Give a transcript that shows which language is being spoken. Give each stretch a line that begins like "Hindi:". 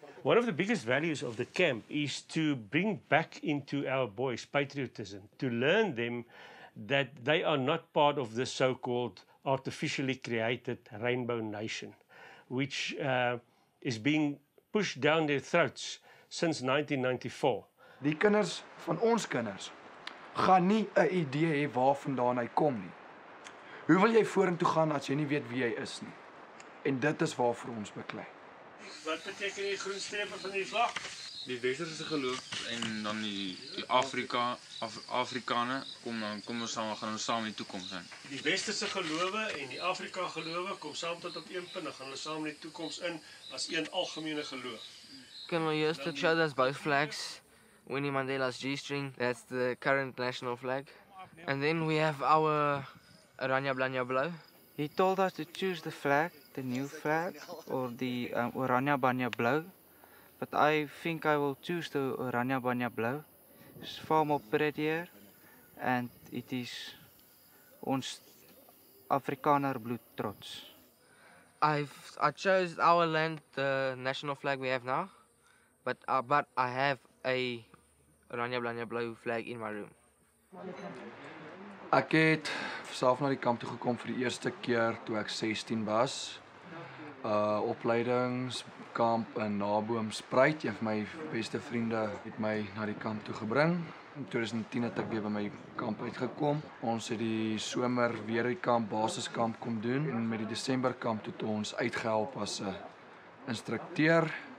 English: One of the biggest values of the camp is to bring back into our boys patriotism, to learn them that they are not part of the so-called artificially created rainbow nation, which is being pushed down their throats since 1994.
Afrikaans: Die kinders van ons kinders gaan nie 'n idee hê waar vandaan hy kom nie. Hoe wil jy vorentoe gaan as jy nie weet wie jy is nie? En dit is waarvoor ons beklei. Wat beteken die groen strepe van die vlag? Die westerse geloof en dan die Afrika, Afrikane, kom ons samen, gaan ons samen in die toekomst in. Die westerse gelowe en die Afrika gelowe kom samen tot op een punt, gaan ons samen in die toekomst in as een algemene geloof.
English: Can we use to show us both flags? Winnie Mandela's G-string, that's the current national flag. And then we have our Oranje Blanje Blue. He told us to choose the flag, the new flag, or the Oranje Blanje Blue. But I think I will choose the Oranje Blanje Blue. It's far more prettier and it is
Afrikaans: ons Afrikaner bloed trots.
English: I chose our land, the national flag we have now, but I have a Oranje Blanje Blue flag in my room.
Afrikaans: Ek het self na die kamp toe gekom vir die eerste keer toe ek 16 was. Opleidingskamp in Naboom Spruit. Een van my beste vriende het my na die kamp toe gebring. In 2010 het ek weer by my kamp uitgekom. Ons het die somer weer die kamp, basiskamp kom doen. En met die Desemberkamp het ons uitgehelp as 'n instrukteur.